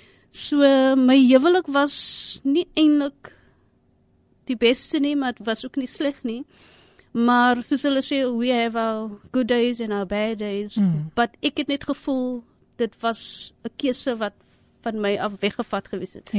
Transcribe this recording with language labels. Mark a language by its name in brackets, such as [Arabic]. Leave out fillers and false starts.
[Afrikaans] So, my huwelik was nie eintlik die beste nie, maar het was ook nie sleg nie. Maar soos hulle sê, [English] we have our good days and our bad days. [Afrikaans] But ek het net gevoel, dit was 'n keuse wat van my af weggevat gewees het.